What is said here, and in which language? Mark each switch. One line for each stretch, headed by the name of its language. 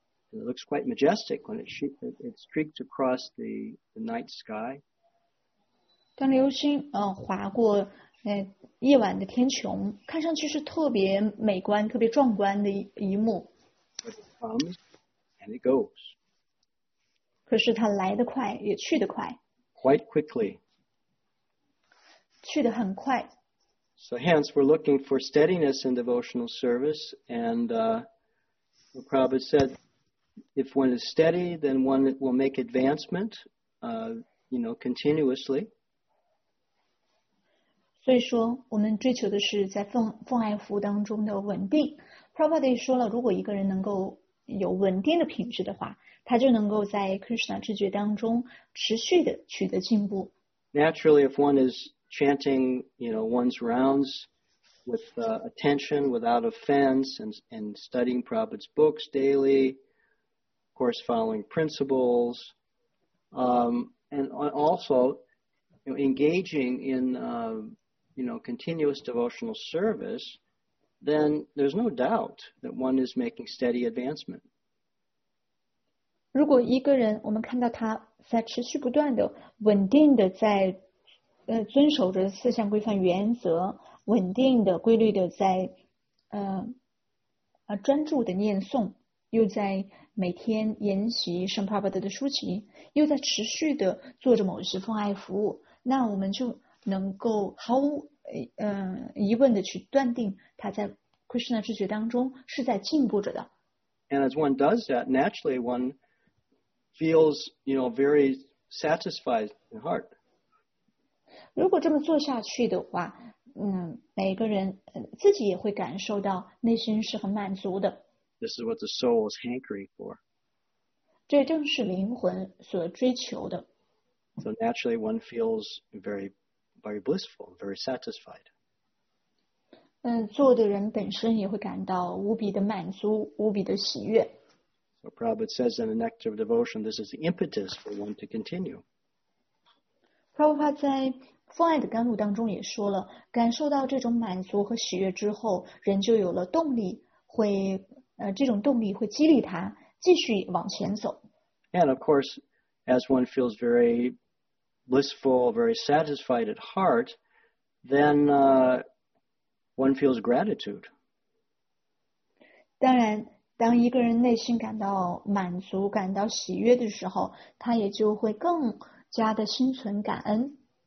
English: It looks quite majestic when it streaks across the night sky.
Chinese: 当流星划过夜晚的天穹，看上去是特别美观、特别壮观的一幕。
English: But it comes and it goes.
Chinese: 可是它来得快，也去得快。
English: Quite quickly.
Chinese: 去得很快。
English: So hence we're looking for steadiness in devotional service, and Prabhupada said, if one is steady, then one will make advancement, continuously.
Chinese: 所以说，我们追求的是在奉爱服务当中的稳定。 Prabhupada 说了，如果一个人能够有稳定的品质的话，他就能够在 Krishna 知觉当中持续的取得进步。
English: Naturally, if one is chanting, one's rounds with attention, without offense, and studying Prabhupada's books daily, of course, following principles, and also engaging in continuous devotional service, then there's no doubt that one is making steady advancement.
Chinese: 如果一个人，我们看到他在持续不断的、稳定的在遵守着四项规范原则，稳定的、规律的在专注的念诵，又在每天研习圣帕巴德的书籍，又在持续的做着某些奉爱服务，那我们就能够毫无疑问的去断定他在 Krishna 知觉当中是在进步着的。
English: And as one does that, naturally one feels, very satisfied in heart.
Chinese: 如果这么做下去的话，每个人自己也会感受到内心是很满足的。
English: This is what the soul is hankering for.
Chinese: 这正是灵魂所追求的。
English: So naturally one feels very, very blissful, very satisfied.
Chinese: 做的人本身也会感到无比的满足，无比的喜悦。
English: So Prabhupada says in the Nectar of Devotion, this is the impetus for one to continue.
Chinese: Prabhupada 在奉爱的甘露当中也说了，感受到这种满足和喜悦之后，人就有了动力，会这种动力会激励他继续往前走。
English: And of course, as one feels very blissful, very satisfied at heart, then one feels gratitude.
Chinese: 当然，当一个人内心感到满足、感到喜悦的时候，他也就会更加的心存感恩。